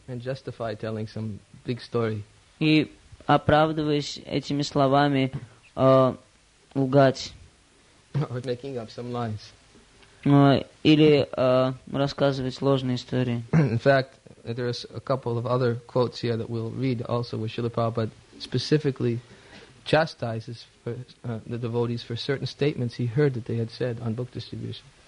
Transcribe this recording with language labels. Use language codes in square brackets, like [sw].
[en] And justify telling some big story. [ru] И оправдываясь этими словами, лгать. [en] Or making up some lies. [ru] Или рассказывать ложные истории. [en] In fact, there is a couple of other quotes here that we'll read also with Srila Prabhupada specifically chastises for, the devotees for certain statements he heard that they had said on book distribution.